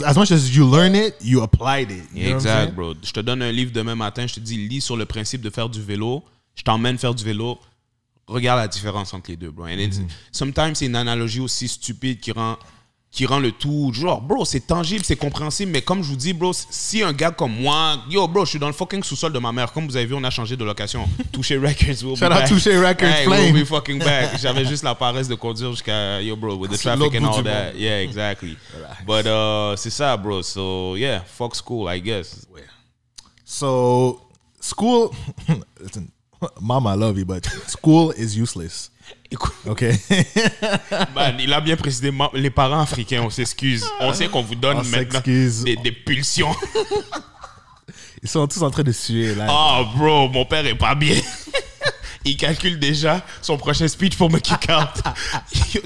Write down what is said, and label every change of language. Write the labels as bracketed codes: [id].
[en] As much as you learn it, you applied it. You [fr] exact, bro. Je te donne un livre demain matin, je te dis lis sur le principe de faire du vélo, je t'emmène faire du vélo. Regarde la différence entre les deux, bro. [en] And sometimes, [fr] c'est une analogie aussi stupide qui rend le tout. Genre, bro, c'est tangible, c'est compréhensible. Mais comme je vous dis, bro, si un gars comme moi... Yo, bro, je suis dans le fucking sous-sol de ma mère. Comme vous avez vu, on a changé de location. [en] Touché Records, we'll shout be back. Shout out Touché Records, hey, Flame. We'll be fucking back. [fr] J'avais juste la paresse de conduire jusqu'à... [en] Yo, bro, with the traffic and all that. Monde. Yeah, exactly. But [fr] c'est ça, [en] bro. So, yeah, fuck school, I guess. So, school... Listen. Mom, I love you, but school is useless. Okay. [fr] Man, il a bien précisé, les parents africains, on s'excuse. On sait qu'on vous donne maintenant des pulsions. Ils sont tous en train de suer là. Oh, bro, mon père est pas bien. Il calcule déjà son prochain speech pour me [en] kick out.